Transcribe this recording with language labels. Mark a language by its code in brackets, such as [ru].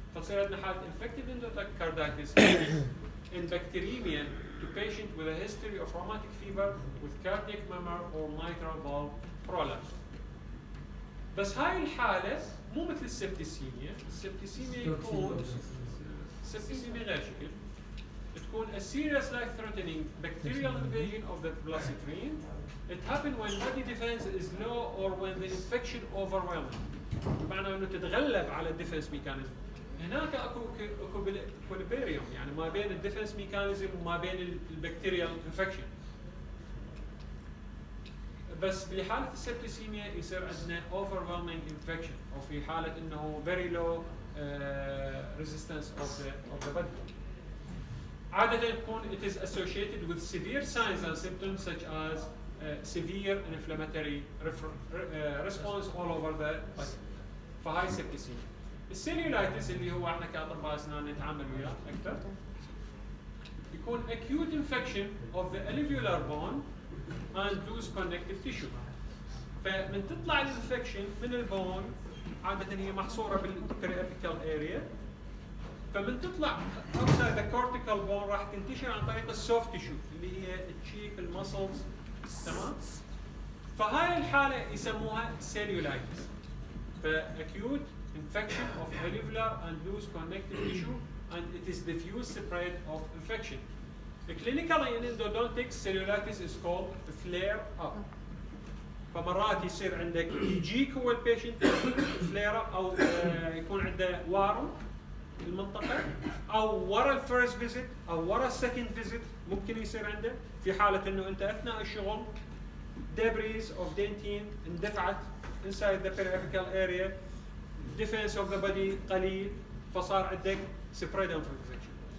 [ar] فصير عندنا حاله انفكتيف اندوكاردايتس ان بكتيريميا [en] to patient with a history of [ar] روماتيك فيفر [en] with cardiac murmur or mitral valve prolapse. [ar] بس هاي الحالة مو مثل السبتسيميا. السبتسيميا يكون السبتسيميا غير شكل تكون [en] a serious life threatening bacterial invasion of the bloodstream. It happens when body defense is low or when the infection overwhelms. [ar] بمعنى انه تتغلب على الديفنس ميكانيزم. هناك اكو equilibrium يعني ما بين الديفنس ميكانيزم وما بين البكتيريال infection. بس في حالة السبتسيميا يصير عندنا [en] overwhelming infection [ar] أو في حالة إنه [en] very low resistance of the body. [ar] عادة يكون [en] it is associated with severe signs and symptoms such as severe inflammatory response all over the body. [ar] فهاي السبتسيميا. السيليولايتس اللي هو إحنا كأطباء أسنان نتعامل وياه أكثر. [en] يكون acute infection of the alveolar bone and loose connective tissue. [ar] فمن تطلع الانفكشن من البون عادة هي محصورة بالcortical area. فمن تطلع [en] outside the cortical bone [ar] راح تنتشر عن طريق soft tissue اللي هي cheek, muscles. تمام؟ فهاي الحالة يسموها cellulitis. [en] Acute infection of alveolar and loose connective tissue and it is diffuse spread of infection. Clinically in endodontic cellulitis is called flare up. [ar] فمرات يصير عندك يجيك هو البيشنت flare up او يكون عنده ورم في المنطقة او ورا الفيرست فيزيت او ورا السكند فيزيت ممكن يصير عنده في حالة انه انت اثناء الشغل [en] debris of dentine [ar] اندفعت [en] inside the periapical area, defense of the body [ar] قليل فصار عندك [en] spread of infection.